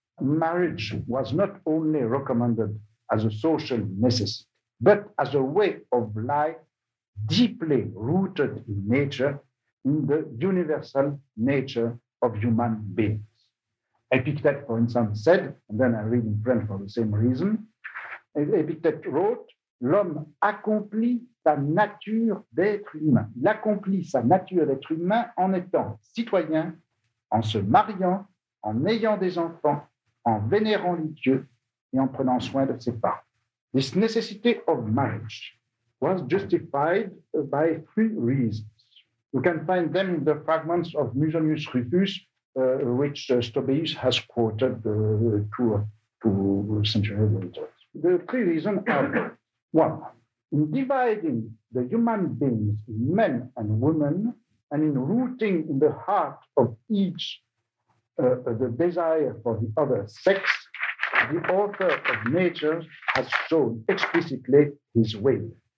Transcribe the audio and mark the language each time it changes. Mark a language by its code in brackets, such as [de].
[en] Marriage was not only recommended as a social necessity, but as a way of life deeply rooted in nature, in the universal nature of human beings. Epictet, for instance, said, and then I read in French for the same reason, Epictet wrote, [fr] l'homme accomplit sa nature d'être humain. Il accomplit sa nature d'être humain en étant citoyen, en se mariant, en ayant des enfants, en vénérant les dieux et en prenant soin de ses parents. [en] This necessity of marriage was justified by three reasons. You can find them in the fragments of Musonius Rufus, which Stobaeus has quoted two centuries later. The three reasons are, one, in dividing the human beings in men and women, and in rooting in the heart of each the desire for the other sex, the author of nature has shown explicitly his will.